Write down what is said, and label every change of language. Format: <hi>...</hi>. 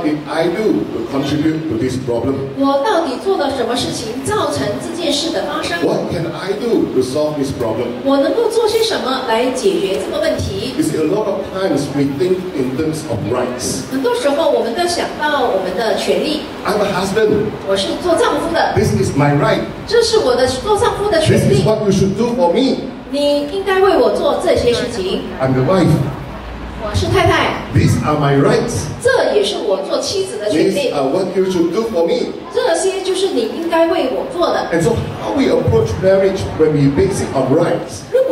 <en>did I do to contribute to this problem？</en> <zh>我到底做了什么事情造成这件事的发生？</zh> <en>What can I do to solve this problem？</en> <zh>我能够做些什么来解决这个问题？</zh> <en>You see, a lot of times we think in terms of rights.</en> <zh>很多时候我们都想到我们的权利。</zh> <en>I'm a husband.</en> <zh>我是做丈夫的。</zh> <en>This is my right.</en> <zh>这是我的做丈夫的权利。</zh> <en>This is what you should do for me.</en> <zh>你应该为我做这些事情。</zh> <en>I'm the wife.</en> <zh>我是太太。</zh> <en>These are my rights.</en> <zh>这也是我做妻子的权利。</zh> <en>These are what you should do for me.</en> <zh>这些就是你应该为我做的。</zh> <en>And so how we approach marriage when we base it on rights?</en>